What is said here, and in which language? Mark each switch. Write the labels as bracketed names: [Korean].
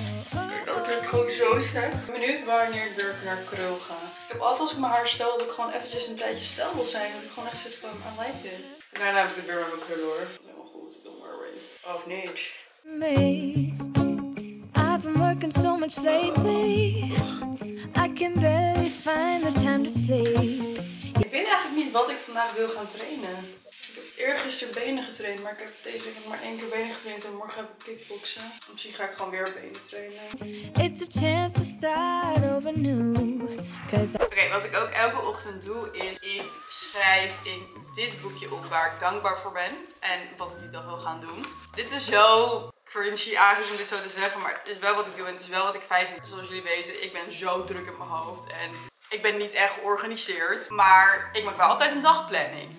[Dutch] Kijk, dat klinkt gewoon zo slecht. Ik ben benieuwd wanneer ik weer naar krul ga. Ik heb altijd als ik mijn haar stel dat ik gewoon eventjes een tijdje stijl wil zijn. Dat ik gewoon echt zit van, [English] I like this. [Dutch] En daarna heb ik het weer met mijn krullen hoor. Helemaal goed, [English] don't worry. [Dutch] Of niet. Meet. [English] So much lately, I can barely find the time to sleep. [Dutch] Ik weet eigenlijk niet wat ik vandaag wil gaan trainen. Ik heb eergisteren benen getraind, maar ik heb deze week nog maar 1 keer benen getraind en morgen heb ik kickboksen. Misschien ga ik gewoon weer benen trainen. [English] It's a chance to start over new. [Dutch] Oké, wat ik ook elke ochtend doe is ik schrijf in dit boekje op waar ik dankbaar voor ben en wat ik die dag wil gaan doen. Dit is zo cringy eigenlijk om dit zo te zeggen, maar het is wel wat ik doe en het is wel wat ik fijn vind. Zoals jullie weten, ik ben zo druk in mijn hoofd en ik ben niet echt georganiseerd, maar ik maak wel altijd een dagplanning.